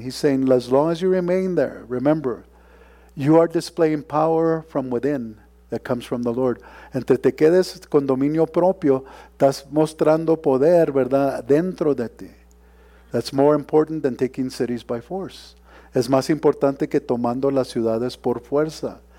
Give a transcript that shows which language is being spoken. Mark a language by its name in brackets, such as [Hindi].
[English] He's saying, as long as you remain there, remember, you are displaying power from within that comes from the Lord. [Spanish] Entre te quedes con dominio propio, estás mostrando poder, ¿verdad?, dentro de ti. [English] That's more important than taking cities by force. [Spanish] Es más importante que tomando las ciudades por fuerza.